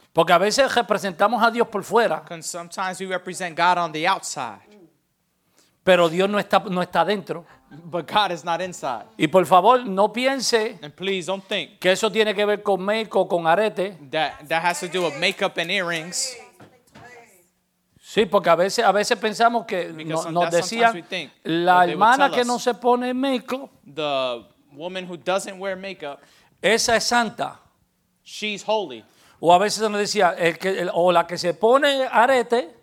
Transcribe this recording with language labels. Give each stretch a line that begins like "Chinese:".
Spanish: Porque a veces representamos a Dios por fuera.
English: Because sometimes we represent God on the outside.
Spanish: Pero Dios no está dentro.
English: But God is not inside.
Spanish: Y por favor, no piense.
English: And please don't think.
Spanish: Que eso tiene que ver con make-up, con arete.
English: That has to do with makeup and earrings.
Spanish: Sí, porque a veces pensamos que nos decían
English: think,
Spanish: la hermana que no se pone make-up.
English: The woman who doesn't wear makeup,
Spanish: esa es santa.
English: She's holy.
Spanish: O a veces nos decía o la que se pone arete,